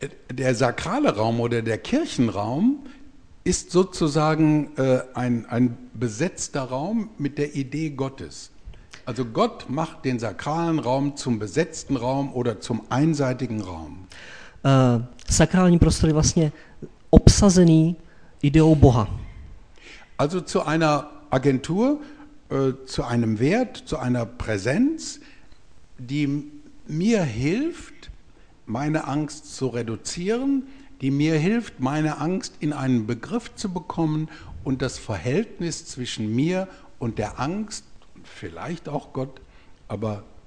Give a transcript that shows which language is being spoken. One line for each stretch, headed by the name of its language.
German: Der sakrale Raum oder der Kirchenraum ist sozusagen ein besetzter Raum mit der Idee Gottes. Also Gott macht den sakralen Raum zum besetzten Raum oder zum einseitigen Raum.
Czech: Sakrální prostor je vlastně obsazený ideou Boha.
German: Also zu einer Agentur, zu einem Wert, zu einer Präsenz, die mir hilft, meine Angst zu reduzieren, die mir hilft, meine Angst in einen Begriff zu bekommen und das Verhältnis zwischen mir und der Angst vielleicht auch Gott, aber